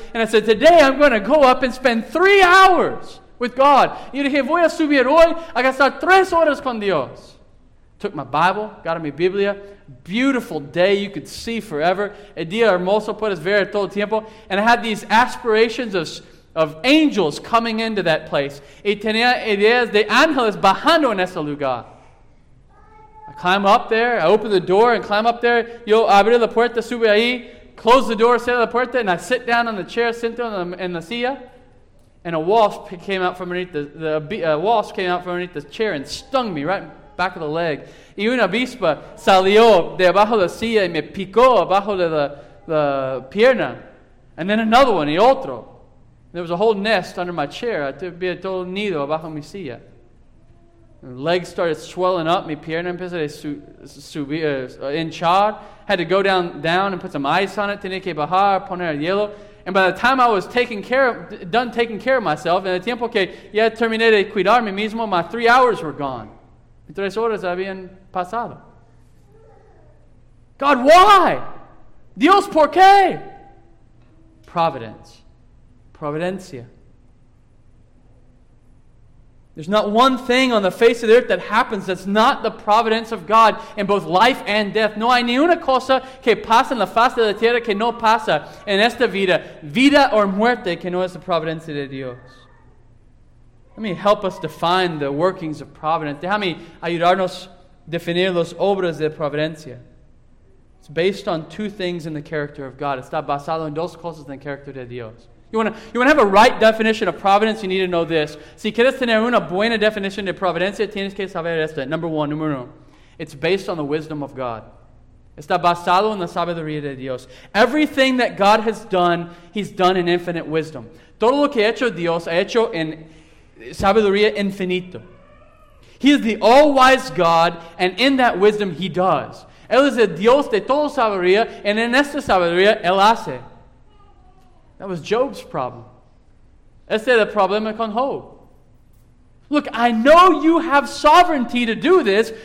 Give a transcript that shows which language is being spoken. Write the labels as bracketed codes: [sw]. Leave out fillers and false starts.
[en] And I said, today I'm going to go up and spend 3 hours with God. [es] Y dije, voy a subir hoy. [en] I got to [es] estar 3 horas con Dios. [en] Took my Bible, got in my Biblia. Beautiful day, you could see forever. [es] El día hermoso, puedes ver todo el tiempo. [en] And I had these aspirations of angels coming into that place. [es] Y tenía ideas de ángeles bajando en ese lugar. [en] I climb up there, I open the door and climb up there. [es] Yo abrí la puerta, subí ahí. [en] Close the door, [es] cierro la puerta, [en] and I sit down on the chair, [es] siento en la silla. [en] And a wasp came out from underneath the chair and stung me right in the back of the leg. [es] Y una avispa salió de abajo de la silla y me picó abajo de la pierna. [en] And then another one, [es] y otro. [en] There was a whole nest under my chair. [es] Había todo nido abajo mi silla. [en] Legs started swelling up, [es] mi pierna empezó a subir, hinchar. [en] Had to go down and put some ice on it, [es] tenía que bajar, poner el hielo. [en] And by the time I was done taking care of myself, [es] en el tiempo que ya terminé de cuidarme mismo, [en] my 3 hours were gone. [es] 3 horas habían pasado. [en] God, why? [es] Dios, ¿por qué? Providence. Providencia. [en] There's not one thing on the face of the earth that happens that's not the providence of God in both life and death. [es] No hay ni una cosa que pasa en la faz de la tierra que no pasa en esta vida. Vida o muerte que no es la providencia de Dios. [en] Let me help us define the workings of providence. [es] Déjame ayudarnos a definir las obras de providencia. [en] It's based on two things in the character of God. [es] Está basado en dos cosas en el carácter de Dios. [en] You want to have a right definition of providence, you need to know this. [es] Si quieres tener una buena definición de providencia, tienes que saber esto. [en] Number one. It's based on the wisdom of God. [es] Está basado en la sabiduría de Dios. [en] Everything that God has done, he's done in infinite wisdom. [es] Todo lo que ha hecho Dios ha hecho en sabiduría infinita. [en] He is the all-wise God, and in that wisdom, he does. [es] Él es el Dios de toda sabiduría, and en esta sabiduría, él hace. [en] That was Job's problem. [es] Ese era el problema con Job. [en] Look, I know you have sovereignty to do this.